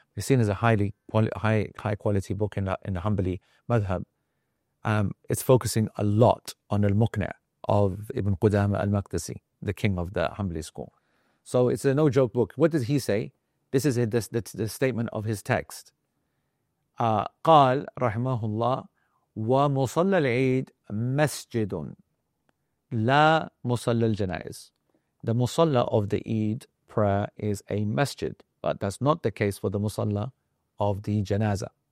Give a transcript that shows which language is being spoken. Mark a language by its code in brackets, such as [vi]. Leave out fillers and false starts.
[en] It's seen as a high quality book in the Hanbali madhab. It's focusing a lot on Al-Muqni' of Ibn Qudama Al-Maqdisi, the king of the Hanbali school. So it's a no-joke book. What does he say? This is the statement of his text. [ar] قال رحمه الله ومصلى العيد مسجد لا مصلى الجنائز. [en] The musalla of the Eid prayer is a masjid, but that's not the case for the musalla of the janaza.